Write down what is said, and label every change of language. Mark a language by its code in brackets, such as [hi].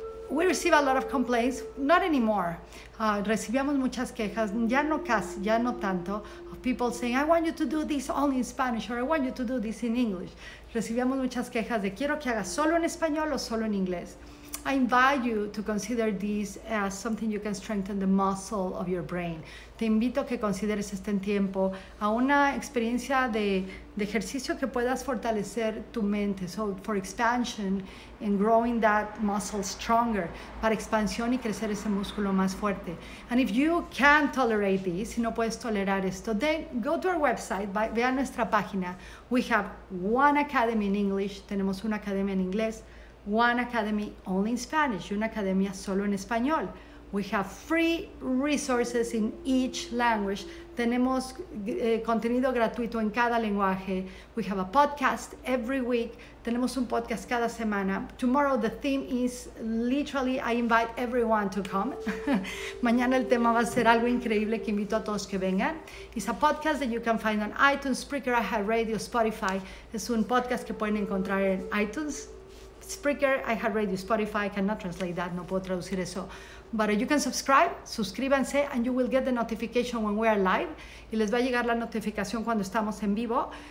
[en] We receive a lot of complaints, not anymore. [es] Recibíamos muchas quejas, ya no casi, ya no tanto, [en] of people saying, I want you to do this only in Spanish, or I want you to do this in English. [es] Recibíamos muchas quejas de quiero que hagas solo en español o solo en inglés. [en] I invite you to consider this as something you can strengthen the muscle of your brain. [es] Te invito a que consideres este tiempo a una experiencia de ejercicio que puedas fortalecer tu mente. [en] So for expansion and growing that muscle stronger. [es] Para expansión y crecer ese músculo más fuerte. [en] And if you can't tolerate this, [es] si no puedes tolerar esto, [en] then go to our website, [es] ve a nuestra página. [en] We have one academy in English. [es] Tenemos una academia en inglés. [en] One academy only in Spanish, [es] y una academia solo en español. [en] We have free resources in each language. [es] Tenemos contenido gratuito en cada lenguaje. [en] We have a podcast every week. [es] Tenemos un podcast cada semana. [en] Tomorrow the theme is literally, I invite everyone to come. [es] Mañana el tema va a ser algo increíble que invito a todos que vengan. [en] It's a podcast that you can find on iTunes, Spreaker, iHeartRadio, Spotify. [es] Es un podcast que pueden encontrar en iTunes, Spreaker, iHeartRadio, Spotify. [en] I cannot translate that, [es] no puedo traducir eso. [en] But you can subscribe, [es] suscríbanse, [en] and you will get the notification when we are live. [es] Y les va a llegar la notificación cuando estamos en vivo.